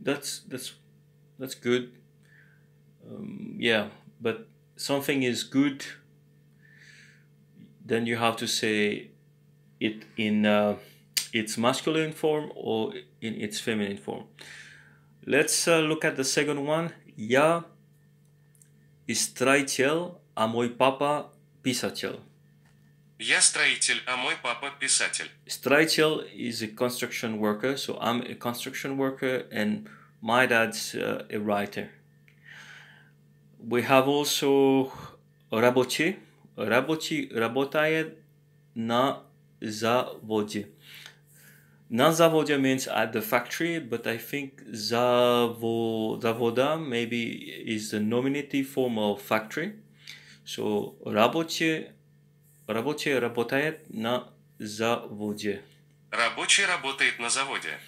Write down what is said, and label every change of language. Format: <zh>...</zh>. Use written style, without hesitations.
<en>That's good. But something is good, then you have to say it in its masculine form or in its feminine form. Let's look at the second one.</en> <ru>Я строитель, а мой папа писатель. Я строитель, а мой папа писатель.</ru> <en>Строитель is a construction worker, so I'm a construction worker and my dad's a writer. We have also рабочий.</en> <ru>Рабочий, работает на заводе.</ru> <en>На заводе means at the factory, but I think завода maybe is the nominative form of factory.</en> <ru>So рабочий работает на заводе. Рабочий работает на заводе.</ru>